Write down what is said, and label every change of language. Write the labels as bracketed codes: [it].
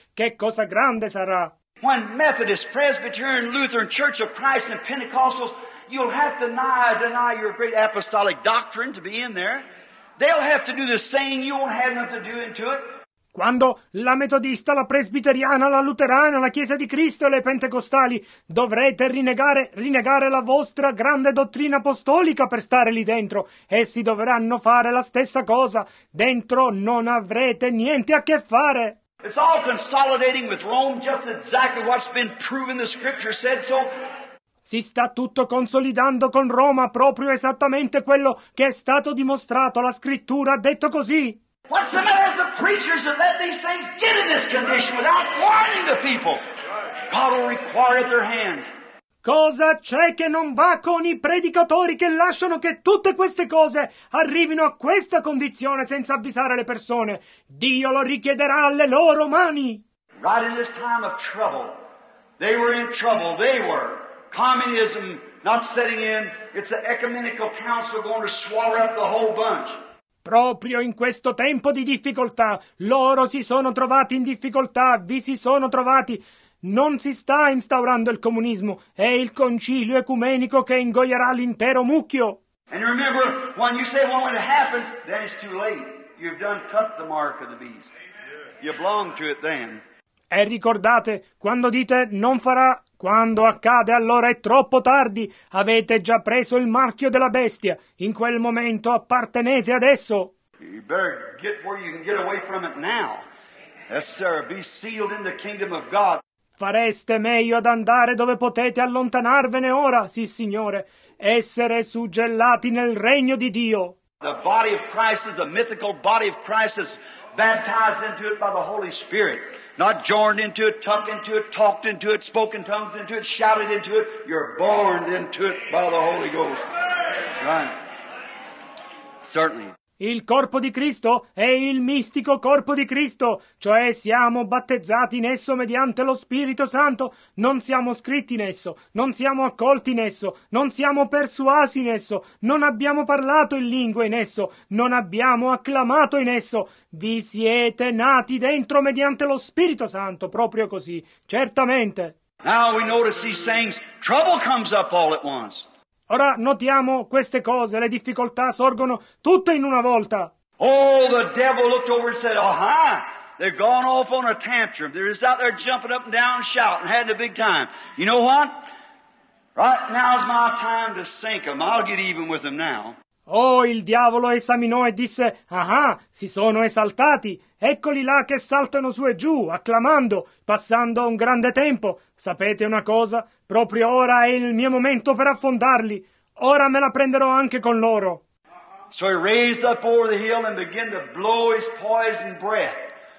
[it] Che cosa grande sarà! [en] When Methodist, Presbyterian, Lutheran, Church of Christ and Pentecostals, you'll have to deny your great apostolic doctrine to be in there. They'll have to do the same, you won't have nothing to do into it. [it] Quando la metodista, la presbiteriana, la luterana, la chiesa di Cristo e le pentecostali dovrete rinnegare la vostra grande dottrina apostolica per stare lì dentro. Essi dovranno fare la stessa cosa. Dentro non avrete niente a che fare. [en] It's all consolidating with Rome, just exactly what's been proven the scripture said so. [it] Si sta tutto consolidando con Roma, proprio esattamente quello che è stato dimostrato. La scrittura ha detto così. [en] What's the matter with the preachers that let these things get in this condition without warning the people? God will require at their hands. [it] Cosa c'è che non va con i predicatori che lasciano che tutte queste cose arrivino a questa condizione senza avvisare le persone? Dio lo richiederà alle loro mani. [en] Right in this time of trouble, they were in trouble, they were. Communism not setting in, it's the ecumenical council going to swallow up the whole bunch. [it] Proprio in questo tempo di difficoltà, loro si sono trovati in difficoltà, vi si sono trovati. Non si sta instaurando il comunismo, è il concilio ecumenico che ingoierà l'intero mucchio. [en] And remember, when you say, well, when it happens, then it's too late. You've done cut the mark of the beast. You belong to it then. [it] E ricordate, quando dite, non farà... Quando accade, allora è troppo tardi. Avete già preso il marchio della bestia. In quel momento appartenete ad esso. [en] You better get where you can get away from it now. Yes, sir, be sealed in the kingdom of God. [it] Fareste meglio ad andare dove potete allontanarvene ora, sì, signore. Essere suggellati nel regno di Dio. [en] The body of Christ is a mythical body of Christ is baptized into it by the Holy Spirit. Not joined into it, tucked into it, talked into it, spoken tongues into it, shouted into it. You're born into it by the Holy Ghost. Right. Certainly. [it] Il corpo di Cristo è il mistico corpo di Cristo, cioè siamo battezzati in esso mediante lo Spirito Santo, non siamo scritti in esso, non siamo accolti in esso, non siamo persuasi in esso, non abbiamo parlato in lingua in esso, non abbiamo acclamato in esso, vi siete nati dentro mediante lo Spirito Santo, proprio così, certamente. [en] Now we notice these things, trouble comes up all at once. [it] Ora notiamo queste cose, le difficoltà sorgono tutte in una volta. [en] Oh, the devil looked over and said, aha, they've gone off on a tantrum. They're just out there jumping up and down and shouting, having a big time. You know what? Right now's my time to sink them. I'll get even with them now. [it] Oh, il diavolo esaminò e disse, aha, si sono esaltati. Eccoli là che saltano su e giù, acclamando, passando un grande tempo. Sapete una cosa? Proprio ora è il mio momento per affondarli. Ora me la prenderò anche con loro. [en] So he raised up over the hill and began to blow his poison breath.